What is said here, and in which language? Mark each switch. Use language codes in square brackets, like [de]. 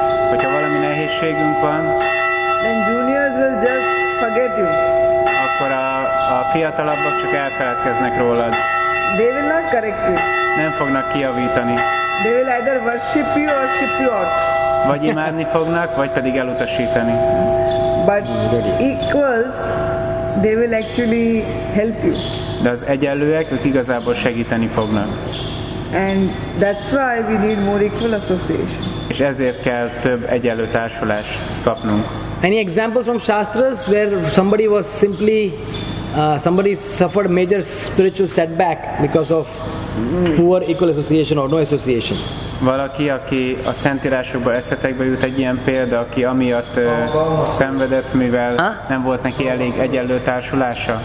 [hu] hogyha valami nehézségünk van, [en] then juniors will just forget you. [hu] Akkor a fiatalabbak csak elfeledkeznek rólad. [en] They will not correct you. [hu] Nem fognak kijavítani. [en] They will either worship you or ship you out. [hu] Vagy imádni fognak, vagy pedig elutasítani. [en] But equals, they will actually help you. [hu] De az egyenlőek, ők igazából segíteni fognak. [en] And that's why we need more equal association. [hu] És ezért kell több egyenlő társulást kapnunk. [en] Any examples from Shastras where somebody was simply somebody suffered major spiritual setback because of poor equal association or no association? [hu] Valaki, aki a szentírásokba eszetekbe jut egy ilyen példa, aki amiatt szenvedett, mivel nem volt neki elég egyenlő társulása.